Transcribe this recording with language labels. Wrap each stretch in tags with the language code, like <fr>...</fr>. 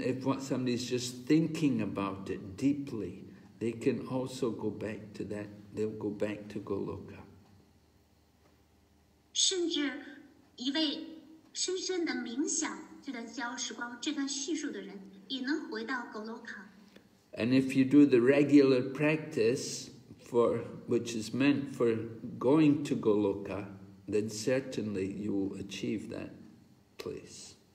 <en>if what somebody's just thinking about it deeply, they can also go back to that. They'll go back to Goloka.</en> <zh>甚至一位深深的冥想这段消时光，这段叙述的人。</zh> <en>And if you do the regular practice which is meant for going to Goloka, then certainly you will achieve that place.</en>